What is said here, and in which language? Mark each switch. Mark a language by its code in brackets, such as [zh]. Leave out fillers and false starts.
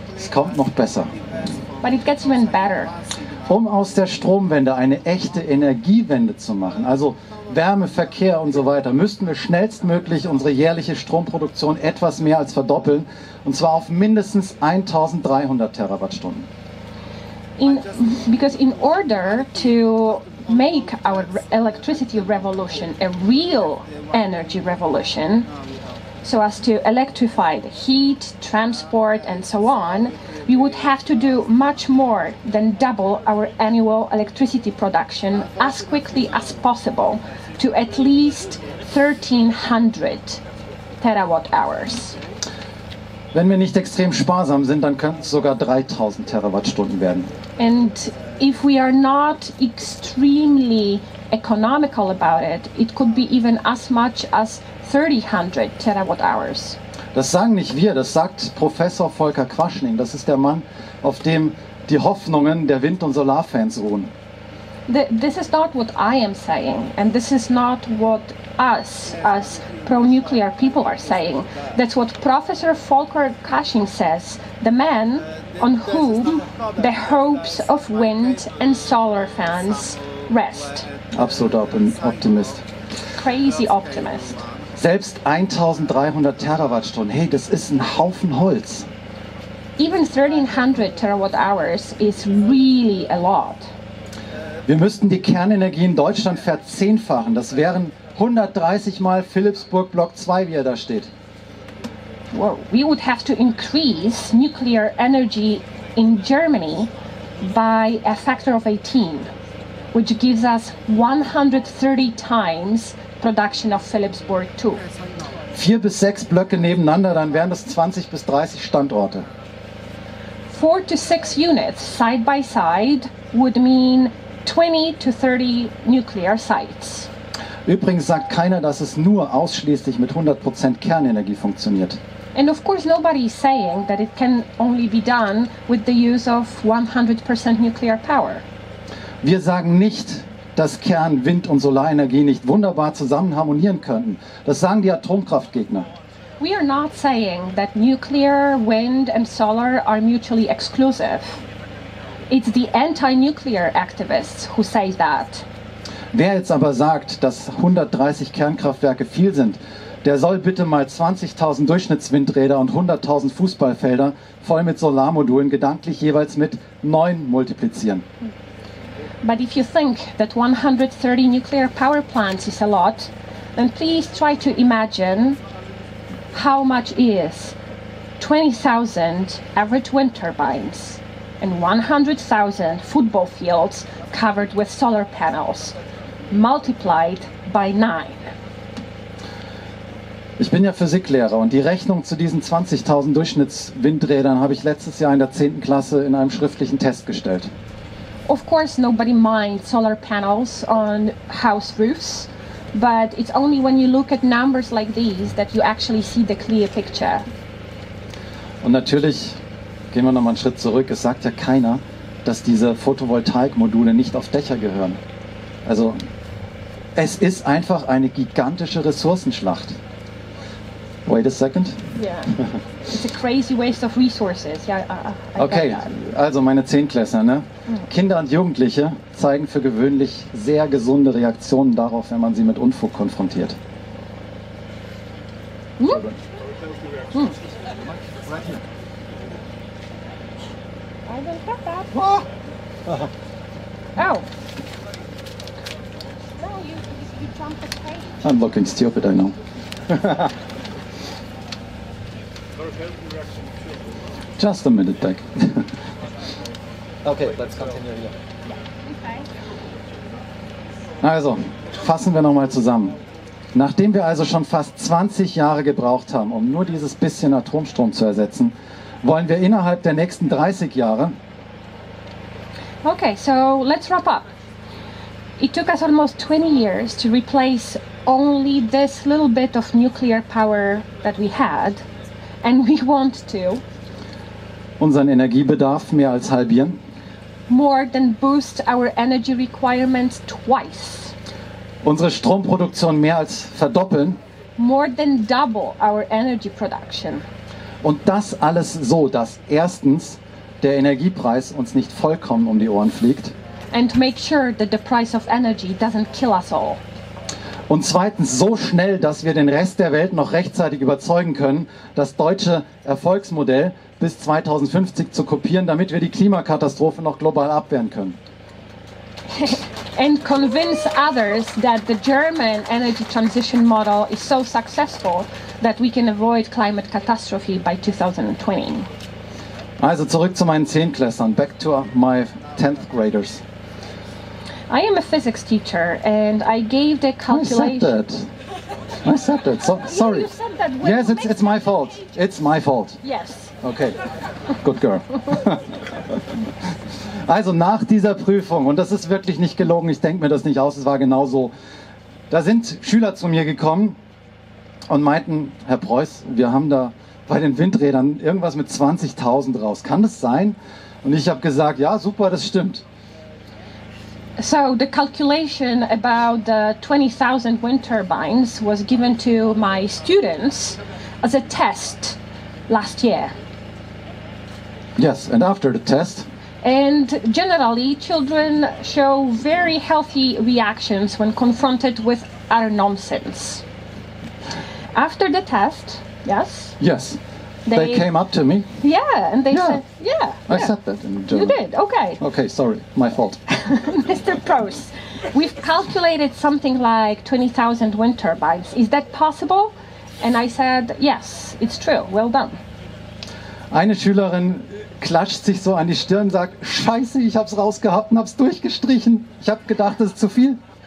[de] Es kommt noch besser. [en] But it gets even better. [de] Um aus der Stromwende eine echte Energiewende zu machen, also Wärme, Verkehr und so weiter, müssten wir schnellstmöglich unsere jährliche Stromproduktion etwas mehr als verdoppeln, und zwar auf mindestens 1300 Terawattstunden. [en] Because in order to make our electricity revolution a real energy revolution, so as to electrify the heat, transport and so on, we would have to do much more than double our annual electricity production as quickly as possible to at least 1300 terawatt hours. [de] Wenn wir nicht extrem sparsam sind, dann können es sogar 3000 Terawattstunden werden. [en] And if we are not extremely economical about it, it could be even as much as 3000 terawatt hours. [de] Das sagen nicht wir, das sagt Professor Volker Quaschning. Das ist der Mann, auf dem die Hoffnungen der Wind- und Solarfans ruhen. [en] This is not what I am saying, and this is not what us as pro-nuclear people are saying. That's what Professor Volker Quaschning says, the man on whom the hopes of wind and solar fans rest. [de] Absoluter Optimist. [en] Crazy optimist. [de] Selbst 1300 Terawattstunden, hey, das ist ein Haufen Holz. [en] Even 1300 terawatt hours is really a lot. [de] Wir müssten die Kernenergie in Deutschland verzehnfachen. Das wären 130 mal Philippsburg Block 2, wie er da steht. [en] Well, we would have to increase nuclear energy in Germany by a factor of 18, which gives us 130 times production of Philippsburg 2. [de] 4 bis 6 Blöcke nebeneinander, dann wären das 20 bis 30 Standorte. [en] 4 to 6 units side by side would mean 20 to 30 nuclear sites. [de] Übrigens sagt keiner, dass es nur ausschließlich mit 100% Kernenergie funktioniert. [en] And of course nobody is saying that it can only be done with the use of 100% nuclear power. [de] Wir sagen nicht, dass Kern-, Wind- und Solarenergie nicht wunderbar zusammen harmonieren könnten. Das sagen die Atomkraftgegner. [en] We are not saying that nuclear, wind and solar are mutually exclusive. It's the anti-nuclear activists who say that. [de] Wer jetzt aber sagt, dass 130 Kernkraftwerke viel sind, der soll bitte mal 20.000 Durchschnittswindräder und 100.000 Fußballfelder voll mit Solarmodulen gedanklich jeweils mit 9 multiplizieren. [en] But if you think that 130 nuclear power plants is a lot, then please try to imagine how much is 20,000 average wind turbines and 100,000 football fields covered with solar panels multiplied by 9. [de] Ich bin ja Physiklehrer und die Rechnung zu diesen 20.000 Durchschnittswindrädern habe ich letztes Jahr in der 10. Klasse in einem schriftlichen Test gestellt. [en] Of course nobody minds solar panels on house roofs, but it's only when you look at numbers like these that you actually see the clear picture. [de] Und natürlich gehen wir noch mal einen Schritt zurück. Es sagt ja keiner, dass diese Photovoltaikmodule nicht auf Dächer gehören. Also, es ist einfach eine gigantische Ressourcenschlacht. [en] Wait a second. Yeah. It's a crazy waste of resources. Yeah, [de] okay, also meine Zehntklässler, ne? Kinder und Jugendliche zeigen für gewöhnlich sehr gesunde Reaktionen darauf, wenn man sie mit Unfug konfrontiert. [en] I don't get that. Oh! Oh. No, you jump the page. I'm looking stupid, I know. Just a minute, Dick. Okay, let's continue here. [de] Also, fassen wir nochmal zusammen. Nachdem wir also schon fast 20 Jahre gebraucht haben, um nur dieses bisschen Atomstrom zu ersetzen, wollen wir innerhalb der nächsten 30 Jahre... [en] Okay, so let's wrap up. It took us almost 20 years to replace only this little bit of nuclear power that we had, and we want to... [de] unseren Energiebedarf mehr als halbieren. [en] More than boost our energy requirements twice. [de] Unsere Stromproduktion mehr als verdoppeln. [en] More than double our energy production. [de] Und das alles so, dass erstens der Energiepreis uns nicht vollkommen um die Ohren fliegt. [en] And to make sure that the price of energy doesn't kill us all. [de] Und zweitens so schnell, dass wir den Rest der Welt noch rechtzeitig überzeugen können, das deutsche Erfolgsmodell bis 2050 zu kopieren, damit wir die Klimakatastrophe noch global abwehren können. [en] And convince others that the German energy transition model is so successful that we can avoid climate catastrophe by 2020. [de] Also zurück zu meinen Zehntklässlern, [en] back to my 10th graders. I am a physics teacher and I gave the calculation. I said that. I said that. So, sorry. You said that. Yes, it's my fault. It's my fault. Yes. Okay. Good girl. [de] Also nach dieser Prüfung, und das ist wirklich nicht gelogen, ich denke mir das nicht aus, es war genauso. Da sind Schüler zu mir gekommen und meinten, Herr Preuß, wir haben da bei den Windrädern irgendwas mit 20.000 raus. Kann das sein? Und ich habe gesagt, ja, super, das stimmt. [en] So the calculation about the 20,000 wind turbines was given to my students as a test last year. Yes, and after the test. And generally, children show very healthy reactions when confronted with utter nonsense. After the test, yes? Yes. They came up to me. Yeah, and they said, yeah. I said that in German. You did, okay. Okay, sorry, my fault. Mr. Prost, we've calculated something like 20,000 wind turbines. Is that possible? And I said, yes, it's true. Well done. [de] Eine Schülerin klatscht sich so an die Stirn und sagt, Scheiße, ich hab's rausgehabt und hab's durchgestrichen. Ich hab gedacht, das ist zu viel.